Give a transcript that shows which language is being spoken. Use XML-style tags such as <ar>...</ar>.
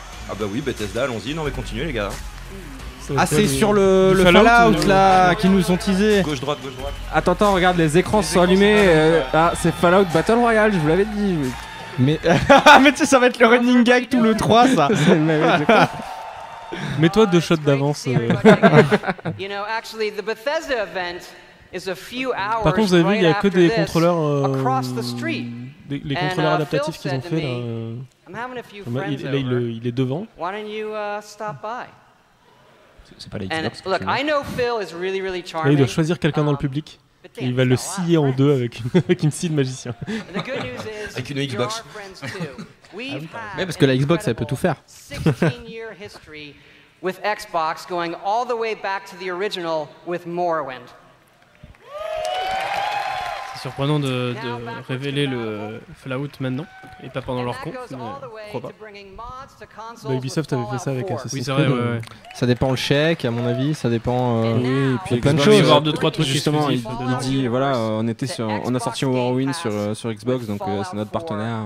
<fr>Ah bah oui, Bethesda, allons-y, non mais continuez les gars. Ah c'est sur le Fallout là qui nous ont teasé. Gauche droite. Attends regarde les écrans sont allumés. Ah c'est Fallout Battle Royale, je vous l'avais dit. Mais mais tu sais ça va être le running gag tout le 3 ça. C'est une merveille. Mets-toi deux shots d'avance.</fr> <en>You know actually the Bethesda event is a few hours.</en> <fr>Par contre vous avez vu</fr> <en>right</en> <fr>il y a que des contrôleurs les contrôleurs adaptatifs qu'ils ont fait là. Il est devant.</fr> <en>Why don't you stop by?</en> <fr>C'est pas la Xbox.</fr> <en>And, look, I know Phil is really, really charming.</en> <fr>Là, il doit choisir quelqu'un dans le public. Et il va le scier en deux avec une scie de magicien. Avec une Xbox. Ouais, parce que la Xbox, elle peut tout faire.</fr> <en>16-year history with Xbox going all the way back to the original with Morrowind.</en> <fr>C'est surprenant de révéler le Fallout maintenant et pas pendant leur conf, pourquoi pas. Bah Ubisoft avait fait ça avec Assassin's Creed. Oui, c'est vrai, ouais, ouais. Ça dépend le chèque, à mon avis, ça dépend oui, et puis de plein de choses. Avoir deux, trois trucs justement, il dit voilà, on a sorti Morrowind sur Xbox, donc c'est notre partenaire.</fr>